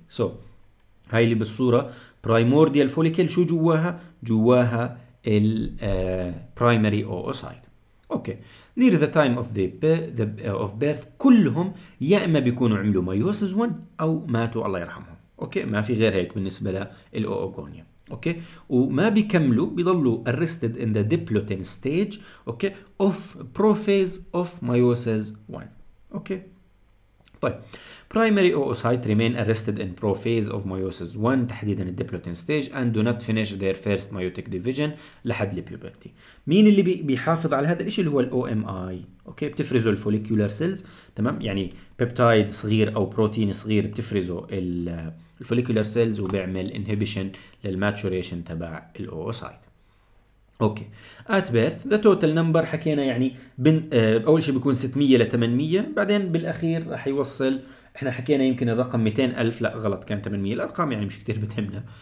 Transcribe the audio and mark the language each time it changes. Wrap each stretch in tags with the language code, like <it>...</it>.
<ar>سو هاي اللي بالصوره برايمورديال فوليكل، شو جواها؟ جواها البرايمري اوسايت. اوكي،</ar> <en>near the time of the of birth</en> <ar>كلهم يا اما بيكونوا عملوا مايوسز 1 او ماتوا الله يرحمهم. اوكي، ما في غير هيك بالنسبه للاوغونيا. اوكي، وما بيكملوا، بيضلوا</ar> <en>arrested in the diploten stage</en> <ar>اوكي</ar> <en>of prophase of meiosis 1.</en> <ar>اوكي، طيب</ar> <en>primary oocyte remain arrested in prophase of meiosis 1</en> <ar>تحديدا الديبلوتين ستيج،</ar> <en>and do not finish their first meiotic division</en> <ar>لحد البيوبرتي. مين اللي بيحافظ على هذا الشيء؟ اللي هو الOMI. اوكي، بتفرزوا الفوليكولار سيلز، تمام، يعني بيبتايد صغير او بروتين صغير بتفرزه الفوليكولار سيلز، وبيعمل انهيبيشن للماتوريشن تبع الاووسايت. اوكي،</ar> <en>at birth the total number</en> <ar>حكينا، يعني اول شيء بيكون 600 ل 800، بعدين بالاخير راح يوصل، احنا حكينا يمكن الرقم 200 الف، لا غلط كان 800، الارقام يعني مش كتير بتهمنا.</ar>